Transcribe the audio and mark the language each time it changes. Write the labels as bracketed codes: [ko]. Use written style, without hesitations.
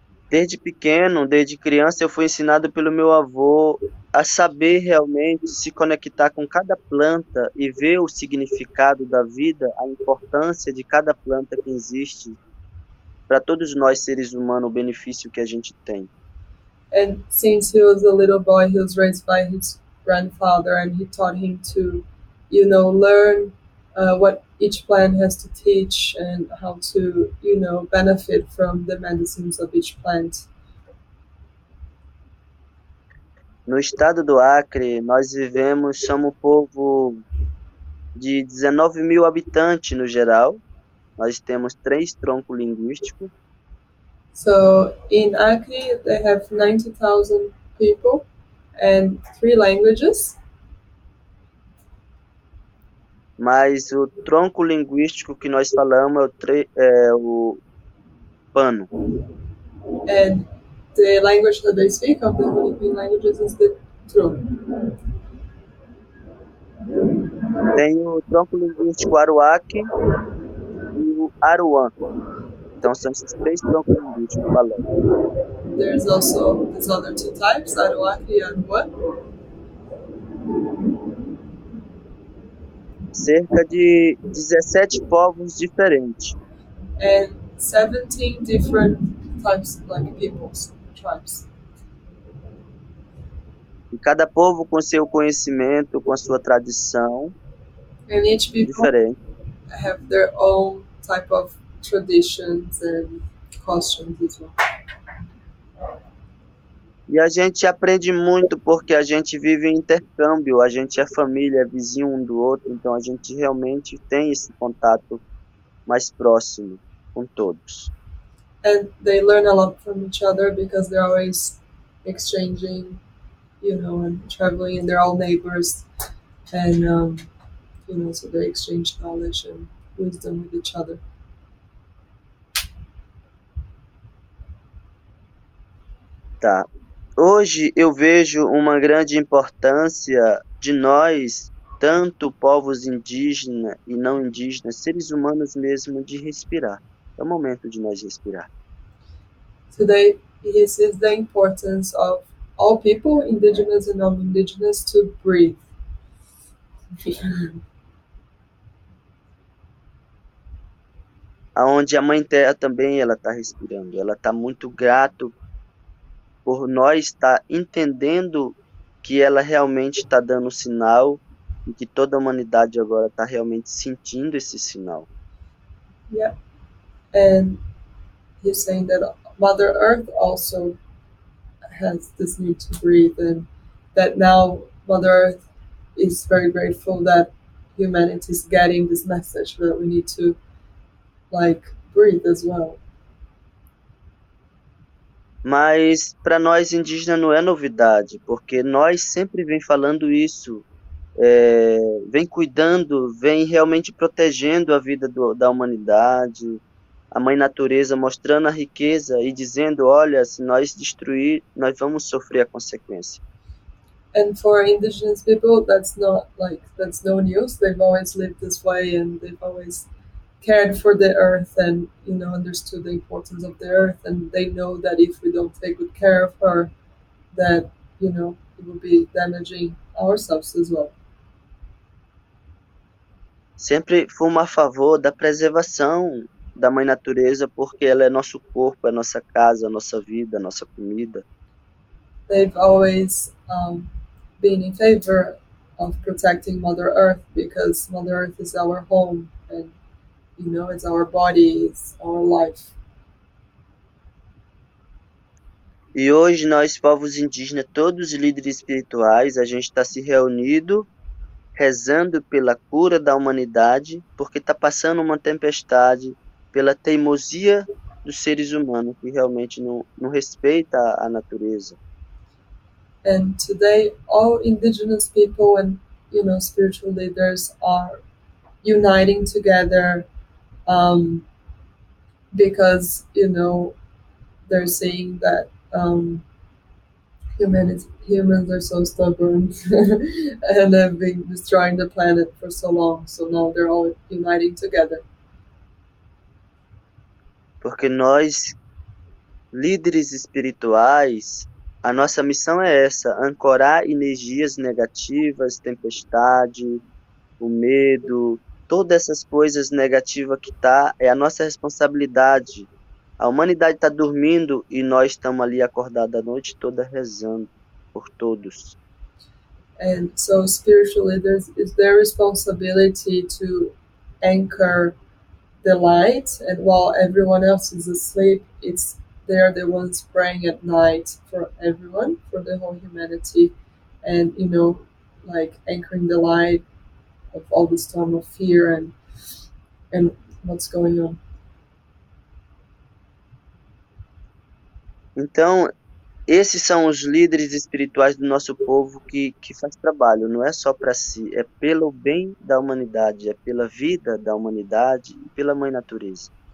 [pt] Desde pequeno, desde criança, eu fui ensinado pelo meu avô a saber realmente se conectar com cada planta e ver o significado da vida, a importância de cada planta que existe para todos nós seres humanos, o benefício que a gente tem. [en] And since he was a little boy, he was raised by his grandfather, and he taught him to, learn what each plant has to teach and how to, benefit from the medicines of each plant. [pt] No estado do Acre, nós vivemos, somos um povo de 19 mil habitantes no geral. Nós temos três troncos linguísticos. [en] So, in Acre, they have 90,000 people and three languages. [pt] Mas o tronco linguístico que nós falamos é o pano. [en] And the language that they speak of the Philippine languages is the Trum. [pt] Tem o tronco linguístico Aruaque e o Aruan. Então são esses três troncos linguísticos falando. [en] There's also these other two types, Aruaki and what? [pt] Cerca de 17 povos diferentes. [en] And 17 different types of peoples, tribes. [pt] E cada povo com seu conhecimento, com a sua tradição. [en] And each people [pt] Diferente. [en] have their own type of traditions and costumes as well. [pt] E a gente aprende muito porque a gente vive em intercâmbio, a gente é família, é vizinho um do outro, então a gente realmente tem esse contato mais próximo com todos. [en] And they learn a lot from each other because they're always exchanging, and traveling in their own neighbors and so they exchange knowledge and wisdom with each other. [pt] Tá. Hoje eu vejo uma grande importância de nós, tanto povos indígenas e não indígenas, seres humanos mesmo, de respirar. É o momento de nós respirar. [en] Today he sees the importance of all people, indigenous and non-indigenous, to breathe. [pt] Aonde a Mãe Terra também ela está respirando. Ela está muito grato por nós estar entendendo que ela realmente está dando sinal e que toda a humanidade agora está realmente sentindo esse sinal. [en] Yeah. And he's saying that Mother Earth also has this need to breathe, and that now Mother Earth is very grateful that humanity is getting this message that we need to, like, breathe as well. [pt] Mas para nós indígenas não é novidade, porque nós sempre vem falando isso, vem cuidando, vem realmente protegendo a vida da humanidade, a Mãe Natureza mostrando a riqueza e dizendo, olha, se nós destruir, nós vamos sofrer a consequência. [en] And for indigenous people, that's not like, that's no news. They've always lived this way and they've always cared for the earth and, you know, understood the importance of the earth. And they know that if we don't take good care of her, that, you know, it will be damaging ourselves as well. [pt] Sempre fomos a favor da preservação da Mãe Natureza, porque ela é nosso corpo, é nossa casa, nossa vida, nossa comida. [en] They've always been in favor of protecting Mother Earth, because Mother Earth is our home, and, you know, it's our body, it's our life. [pt] E hoje nós, povos indígenas, todos os líderes espirituais, a gente está se reunindo, rezando pela cura da humanidade, porque está passando uma tempestade pela teimosia dos seres humanos que realmente não respeita a natureza. [en] And today all indigenous people and, you know, spiritual leaders are uniting together because, you know, they're saying that humans are so stubborn and have been destroying the planet for so long, so now they're all uniting together. [pt] Porque nós, líderes espirituais, a nossa missão é essa, ancorar energias negativas, tempestade, o medo, todas essas coisas negativas que tá, é a nossa responsabilidade. A humanidade está dormindo e nós estamos ali acordados a noite toda rezando por todos. [en] And so spiritual leaders, it's their responsibility to anchor the light, and while everyone else is asleep, it's they're the ones praying at night for everyone, for the whole humanity, and, you know, like anchoring the light of all the storm of fear and what's going on. [pt] Então, esses são os líderes espirituais do nosso povo que faz trabalho, não é só para si, é pelo bem da humanidade, é pela vida da humanidade e pela Mãe Natureza.